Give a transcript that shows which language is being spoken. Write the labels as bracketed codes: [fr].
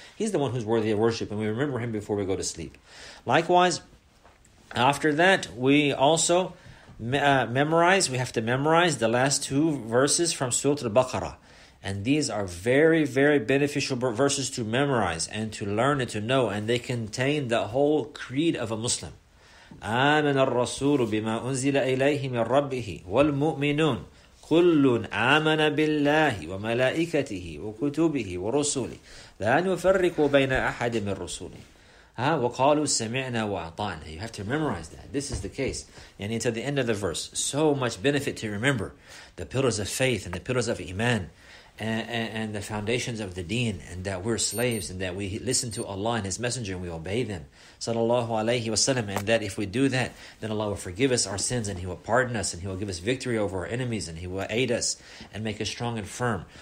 [en] He's the one who's worthy of worship, and we remember Him before we go to sleep. Likewise, after that, we also memorize. We have to memorize the last two verses from Surah Al-Baqarah. And these are very, very beneficial verses to memorize and to learn and to know. And they contain the whole creed of a Muslim. [ar] آمن الرسول بما أنزل إليه من ربه والمؤمنون كل آمن بالله وملائكته وكتبه ورسوله لا نفرق بين أحد من رسوله. وَقَالُوا سَمِعْنَا وَأَطَعْنَا. [en] You have to memorize that. This is the case. And until the end of the verse, so much benefit to remember the pillars of faith and the pillars of iman and the foundations of the deen, and that we're slaves and that we listen to Allah and His Messenger and we obey them. Sallallahu alayhi wa sallam. And that if we do that, then Allah will forgive us our sins and He will pardon us and He will give us victory over our enemies and He will aid us and make us strong and firm.